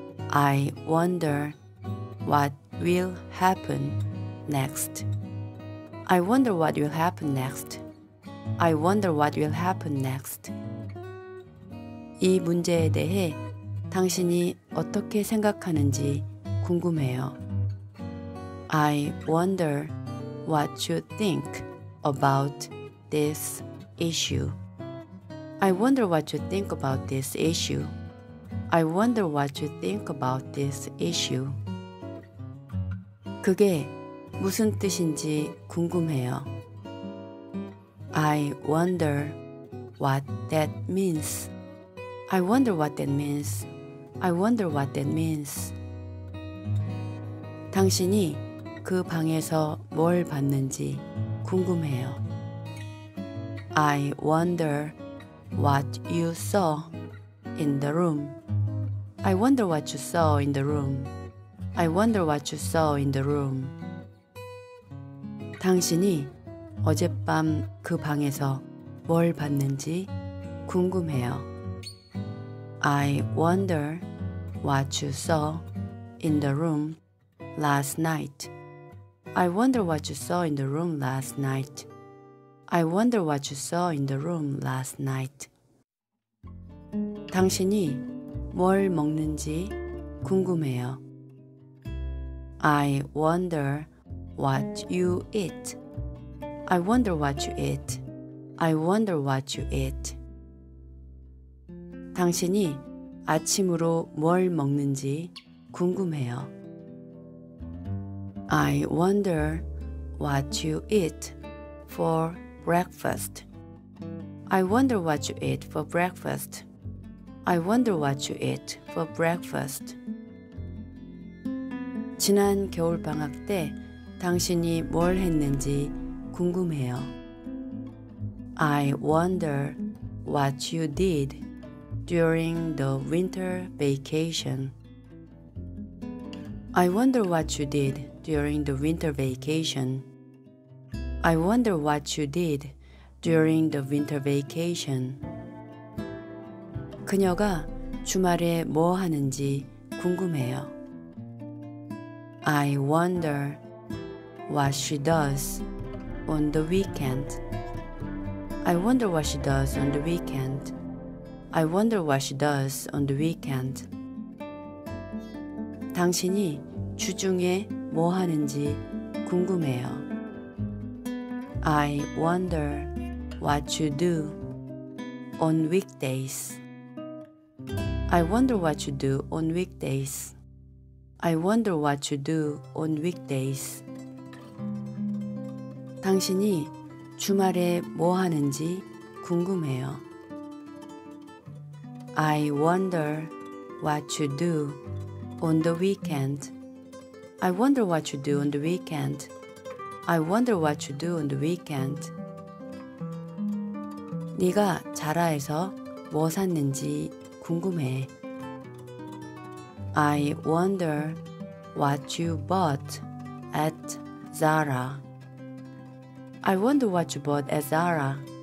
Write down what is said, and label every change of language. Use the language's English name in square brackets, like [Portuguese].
[English] I wonder what will happen next. I wonder what will happen next. I wonder what will happen next. [Korean] 이 문제에 대해 당신이 어떻게 생각하는지 궁금해요. [English] I wonder what you think about this issue. I wonder what you think about this issue. I wonder what you think about this issue. [Korean] 그게 무슨 뜻인지 궁금해요. [English] I wonder what that means. I wonder what that means. I wonder what that means. [Korean] 당신이 그 방에서 뭘 봤는지 궁금해요. [English] I wonder what you saw in the room. I wonder what you saw in the room. I wonder what you saw in the room. [Korean] 당신이 어젯밤 그 방에서 뭘 봤는지 궁금해요. [English] I wonder what you saw in the room last night. I wonder what you saw in the room last night. I wonder what you saw in the room last night. [Korean] 당신이 뭘 먹는지 궁금해요. [English] I wonder what you eat. I wonder what you eat. I wonder what you eat. [Korean] 당신이 아침으로 뭘 먹는지 궁금해요. [English] I wonder what you eat for breakfast. I wonder what you eat for breakfast. I wonder what you eat for breakfast. [Korean] 지난 겨울 방학 때 당신이 뭘 했는지 궁금해요. [English] I wonder what you did during the winter vacation. I wonder what you did during the winter vacation. I wonder what you did during the winter vacation. [Korean] 그녀가 주말에 뭐 하는지 궁금해요. [English] I wonder what she does on the weekend. I wonder what she does on the weekend. I wonder what she does on the weekend. [Korean] 당신이 주중에 뭐 하는지 궁금해요. [English] I wonder what you do on weekdays. I wonder what you do on weekdays. I wonder what you do on weekdays. [Korean] 당신이 주말에 뭐 하는지 궁금해요. [English] I wonder what you do on the weekend. I wonder what you do on the weekend. I wonder what you do on the weekend. [Korean] 네가 자라에서 뭐 샀는지 궁금해. [English] I wonder what you bought at Zara. I wonder what you bought at Zara.